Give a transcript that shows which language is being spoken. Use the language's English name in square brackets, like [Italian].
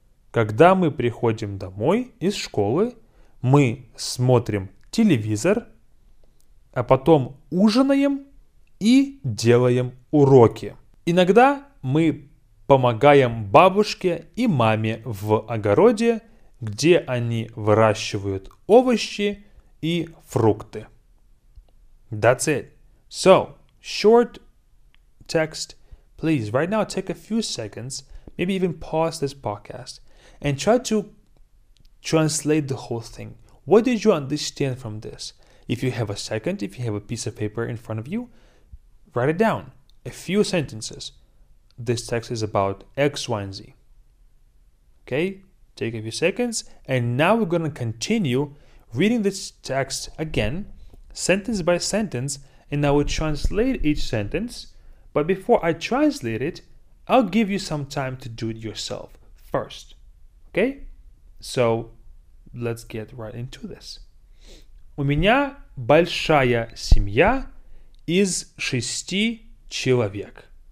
[Russian] Когда мы приходим домой из школы, мы смотрим телевизор, а потом ужинаем и делаем уроки. Иногда мы помогаем бабушке и маме в огороде, где они выращивают овощи и фрукты. [English] That's it. So, short text. Please, right now, take a few seconds, maybe even pause this podcast, and try to translate the whole thing. What did you understand from this? If you have a second, if you have a piece of paper in front of you, write it down. A few sentences. This text is about X, Y, and Z. Okay, take a few seconds. And now we're going to continue reading this text again, sentence by sentence. And I will translate each sentence. But before I translate it, I'll give you some time to do it yourself first. Okay, so let's get right into this. [Russian] У меня большая семья из шести человек.